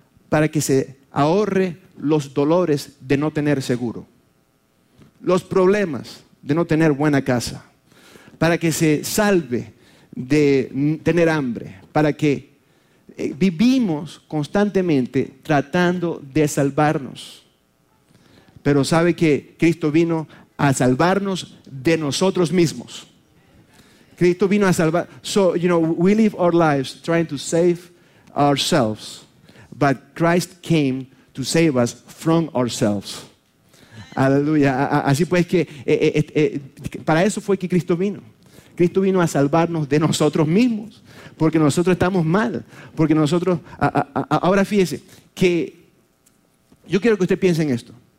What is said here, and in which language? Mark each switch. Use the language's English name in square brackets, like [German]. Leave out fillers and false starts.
[Spanish] Para que se ahorre los dolores de no tener seguro, los problemas de no tener buena casa, para que se salve de tener hambre, para que vivimos constantemente tratando de salvarnos. Pero sabe que Cristo vino a salvarnos de nosotros mismos. Cristo vino a salvar. [English] So, you know, we live our lives trying to save ourselves, but Christ came to save us from ourselves. [Spanish] Aleluya. Así pues que para eso fue que Cristo vino. Cristo vino a salvarnos de nosotros mismos, porque nosotros estamos mal, porque nosotros. Ahora fíjese que yo quiero que usted piense en esto.